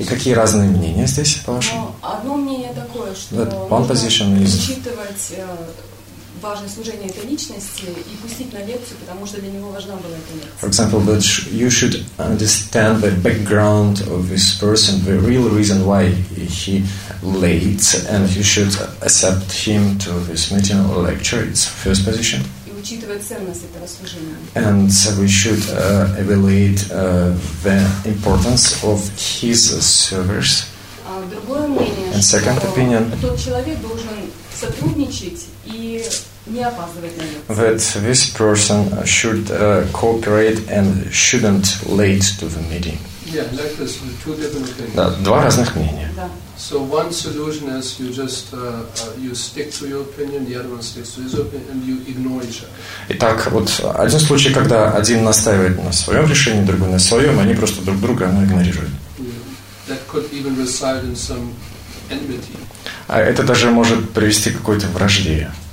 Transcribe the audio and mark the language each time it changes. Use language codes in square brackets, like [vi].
[ru] И какие разные мнения здесь, по-вашему? Одно мнение такое, что нужно учитывать важное служение этой личности и пустить на лекцию, потому что для него важна была эта лекция. [en] For example, that you should understand the background of this person, the real reason why he late, and you should accept him to this meeting or lecture. It's first position. [ru] И учитывая ценность этого служения. [en] And so we should evaluate the importance of his service. [ru] Другое мнение. [en] And second opinion. [ru] Тот человек должен сотрудничать и не опаздывать на лекцию. [en] That this person should cooperate and shouldn't late to the meeting. Yeah, like this, two different opinions. [ru] Да, два разных мнения. Да. [en] So one solution is you just you stick to your opinion, the other one sticks to his opinion, and you ignore each other. [ru] Итак, вот один случай, когда один настаивает на своем решении, другой на своем, они просто друг друга игнорируют. [en] Yeah. That could even reside in some enmity. [ru] А это даже может привести к какой-то вражде.